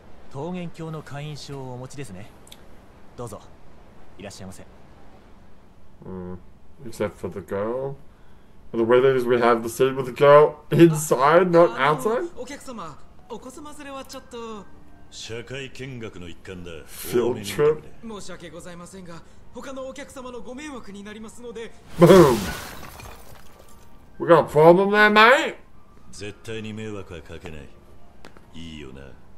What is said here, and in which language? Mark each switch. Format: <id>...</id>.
<ja>桃源郷の会員証をお持ちですね。どうぞ、いらっしゃいませ。</ja> <en>Except for the girl. The way that is, we have the scene with the girl inside, not outside.</en> <ja>お客様、お子様連れはちょっと。社会見学の一環だ。</ja> <en>Field trip.</en> <ja>申し訳ございませんが、他のお客様のご迷惑になりますので。</ja> <en>Boom. We got a problem there, mate.</en> <ja>絶対に迷惑はかけない。いいよな。</ja>